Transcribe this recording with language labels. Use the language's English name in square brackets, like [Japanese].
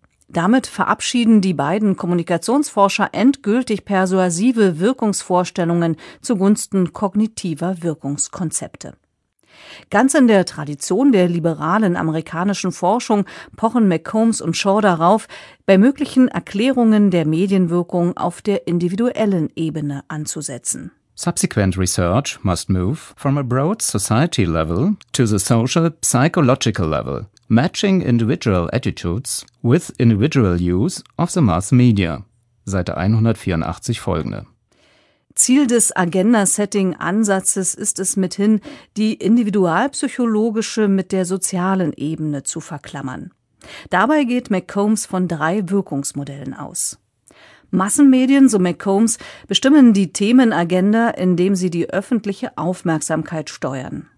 [German] Damit verabschieden die beiden Kommunikationsforscher endgültig persuasive Wirkungsvorstellungen zugunsten kognitiver Wirkungskonzepte. Ganz in der Tradition der liberalen amerikanischen Forschung pochen McCombs und Shaw darauf, bei möglichen Erklärungen der Medienwirkung auf der individuellen Ebene anzusetzen. [English] Subsequent research must move from a broad society level to the social psychological level, matching individual attitudes with individual use of the mass media. [German] Seite 184 folgende. Ziel des Agenda-Setting-Ansatzes ist es mithin, die individualpsychologische mit der sozialen Ebene zu verklammern. Dabei geht McCombs von drei Wirkungsmodellen aus. Massenmedien, so McCombs, bestimmen die Themenagenda, indem sie die öffentliche Aufmerksamkeit steuern.